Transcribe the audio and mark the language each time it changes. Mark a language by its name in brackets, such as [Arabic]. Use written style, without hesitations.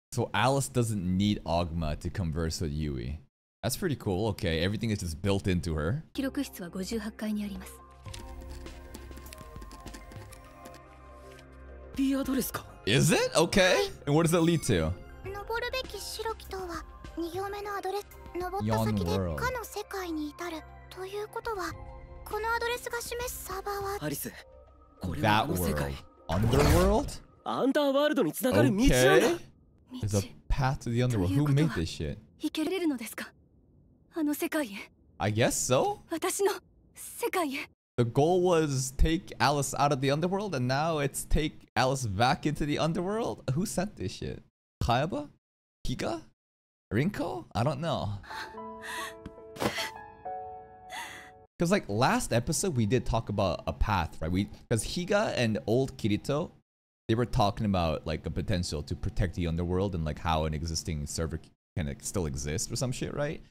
[English] So Alice doesn't need Ogma to converse with Yui. That's pretty cool. Okay, everything is just built into her. [Japanese] 記録室は58階にあります。 B アドレスか。 [English] Is it? Okay. And what does that lead to? [Japanese] 登るべき白き塔は2行目のアドレス。登った先で他の世界に至るということは。このアドレスが示すサーバーはアリス、これはこの世界、 [English] Underworld、 [Japanese] アンダーワールドに繋がる道なんだ。 [English] Okay. There's a path to the underworld. Who made this shit? [Japanese] 行けれるのですか、あの世界へ。 [English] I guess so. [Japanese] 私の世界へ。 [English] The goal was take Alice out of the underworld, and now it's take Alice back into the underworld. Who sent this shit? Kaiba? Kiga? Rinko? I don't know. Because like last episode, we did talk about a path, right? Because Higa and old Kirito, they were talking about like a potential to protect the underworld and like how an existing server can like, still exist or some shit, right?